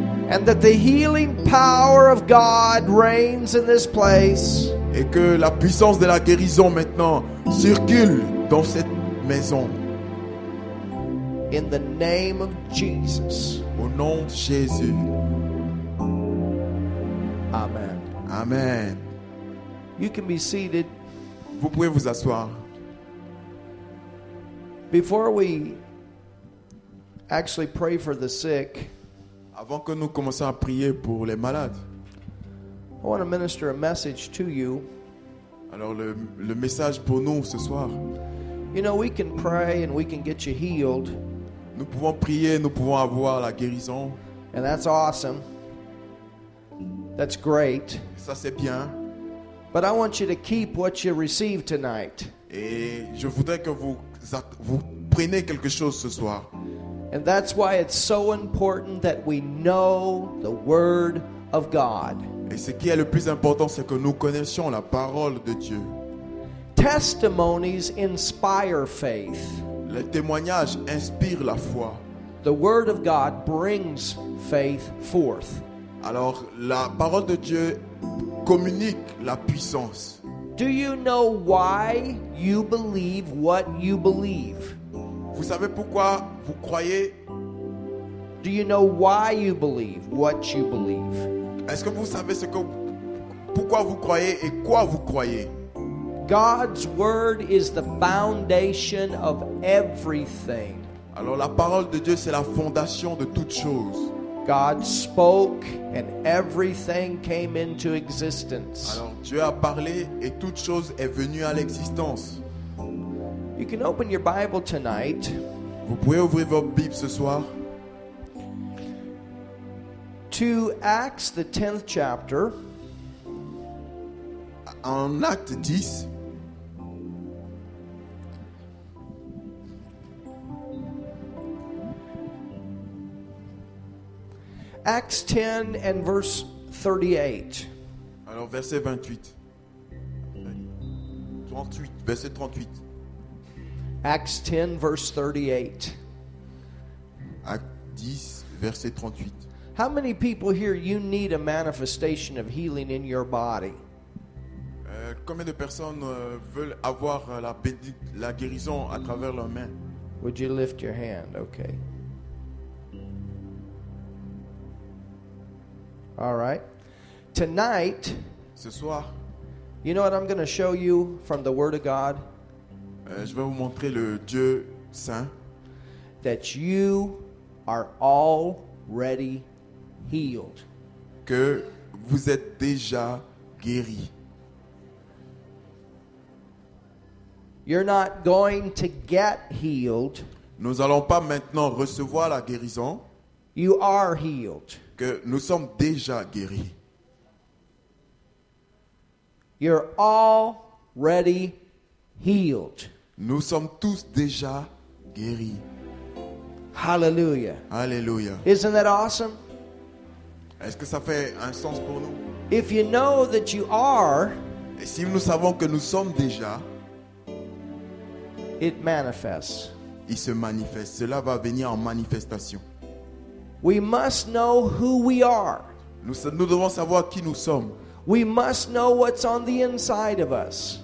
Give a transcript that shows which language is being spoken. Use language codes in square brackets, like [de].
[en] And that the healing power of God reigns in this place. [fr] Et que la puissance de la guérison maintenant circule dans cette maison. [en] In the name of Jesus. [fr] Au nom de Jésus. Amen. Amen. [en] You can be seated. [fr] Vous pouvez vous asseoir. [en] Before we actually pray for the sick, [fr] avant que nous commençons à prier pour les malades, [en] I want to minister a message to you. [fr] Alors le message pour nous ce soir. [en] You know, we can pray and we can get you healed. [fr] Nous pouvons prier, nous pouvons avoir la guérison. [en] And that's awesome. That's great. [fr] Ça c'est bien. [en] But I want you to keep what you received tonight. [fr] Et je voudrais que vous prenez quelque chose ce soir. [en] And that's why it's so important that we know the word of God. [fr] Et ce qui est le plus important, c'est que nous connaissions la parole de Dieu. [en] Testimonies inspire faith. [fr] Les témoignages inspirent la foi. [en] The word of God brings faith forth. [fr] Alors la parole de Dieu communique la puissance. [en] Do you know why you believe what you believe? [fr] Vous savez pourquoi vous croyez? [en] Do you know why you believe what you believe? [fr] Est-ce que vous savez pourquoi vous croyez et quoi vous croyez? [en] God's word is the foundation of everything. [fr] Alors la parole de Dieu, c'est la fondation de toutes choses. [en] God spoke and everything came into existence. [fr] Alors Dieu a parlé et toute chose est venue à l'existence. [en] You can open your Bible tonight. [fr] Vous pouvez ouvrir votre Bible ce soir. [en] To Acts the 10th chapter. [fr] En Actes 10. [en] Acts 10 and verse 38. [fr] Alors verset 38. Verset 38. [en] Acts 10 verse 38. [fr] Acts 10 verset 38. [en] How many people here you need a manifestation of healing in your body? [fr] Combien de personnes veulent avoir la guérison à travers leurs mains? [en] Would you lift your hand? Okay. All right. Tonight, [fr] ce soir, [en] you know what I'm going to show you from the Word of God? [fr] Je vais vous montrer le Dieu Saint. [en] That you are already healed. [fr] Que vous êtes déjà guéri. [en] You're not going to get healed. [fr] Nous allons pas maintenant recevoir la guérison. [en] You are healed. [fr] Que nous sommes déjà guéris. [en] You're already healed. [fr] Nous sommes tous déjà guéris. Hallelujah. Hallelujah. [en] Isn't that awesome? [fr] Est-ce que ça fait un sens pour nous? [en] If you know that you are, [fr] et si nous savons que nous sommes déjà, [en] it manifests. [fr] Il se manifeste. Cela va venir en manifestation. [en] We must know who we are. [fr] Nous devons savoir qui nous sommes. [en] We must know what's on the inside of us.